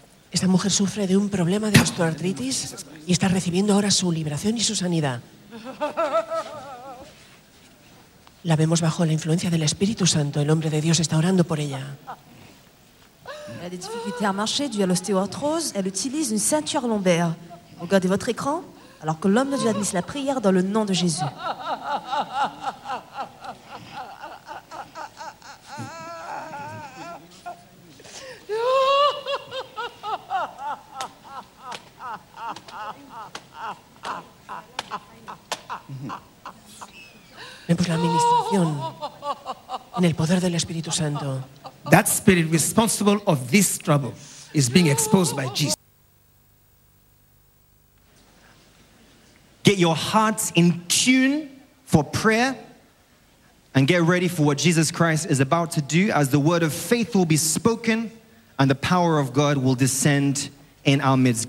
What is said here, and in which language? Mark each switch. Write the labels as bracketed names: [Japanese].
[Spanish] Esta mujer sufre de un problema de osteoartritis y está recibiendo ahora su liberación y su sanidad. La vemos bajo la influencia del Espíritu Santo. El hombre de Dios está orando por ella. [French] Elle a des difficultés à marcher dû à l'ostéoarthrose. Elle utilise une ceinture lombaire. Regardez votre écran alors que l'homme de Dieu admise la prière dans le nom de Jésus. [Spanish] Vemos la administración en el poder del Espíritu Santo. [English] That spirit responsible of this trouble is being exposed by Jesus. Get your hearts in tune for prayer and get ready for what Jesus Christ is about to do as the word of faith will be spoken and the power of God will descend in our midst.